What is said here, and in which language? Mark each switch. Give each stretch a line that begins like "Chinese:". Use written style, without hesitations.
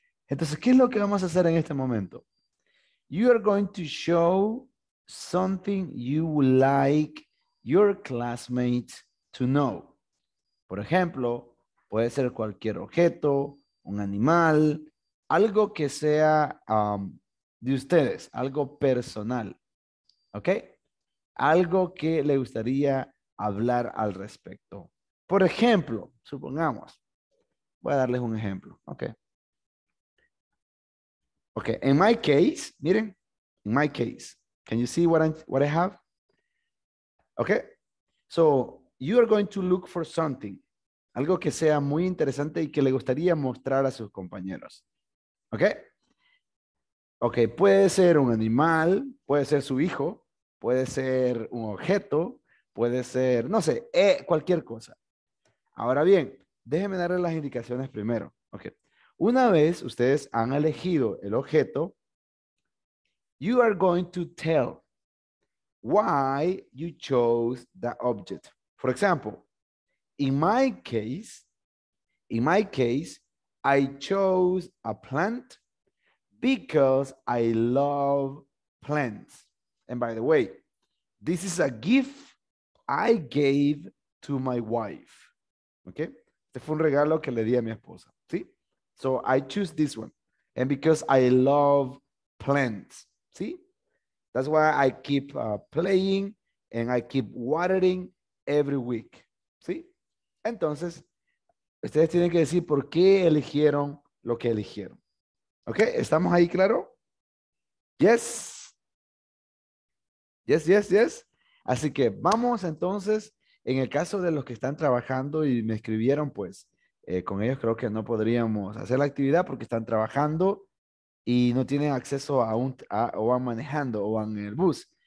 Spanish: Entonces, ¿qué es lo que vamos a hacer en este momento?
English: You are going to show something you would like your classmate to know.
Spanish: Por ejemplo, puede ser cualquier objeto, un animal, algo que sea de ustedes, algo personal. ¿Ok? Algo que le gustaría hablar al respecto. Por ejemplo, supongamos, voy a darles un ejemplo. ¿Ok?
English: Ok, en my case,
Spanish: miren,
English: en my case. Can you see what I have? Okay. So you are going to look for something.
Spanish: Algo que sea muy interesante y que le gustaría mostrar a sus compañeros. Okay. Okay. Puede ser un animal. Puede ser su hijo. Puede ser un objeto. Puede ser, no sé, cualquier cosa. Ahora bien, déjenme darle las indicaciones primero. Okay. Una vez ustedes han elegido el objeto,
English: you are going to tell why you chose the object. For example, in my case, I chose a plant because I love plants. And by the way, this is a gift I gave to my wife. Okay?
Spanish: Este fue un regalo que le di a mi esposa.
English: ¿Sí? So I choose this one. And because I love plants. ¿Sí? That's why I keep playing and I keep watering every week.
Spanish: ¿Sí? Entonces, ustedes tienen que decir por qué eligieron lo que eligieron. ¿Ok? ¿Estamos ahí claro?
English: Yes. Yes, yes, yes.
Spanish: Así que vamos entonces, en el caso de los que están trabajando y me escribieron, pues, con ellos creo que no podríamos hacer la actividad porque están trabajando y no tienen acceso a un, a, o van manejando o van en el bus.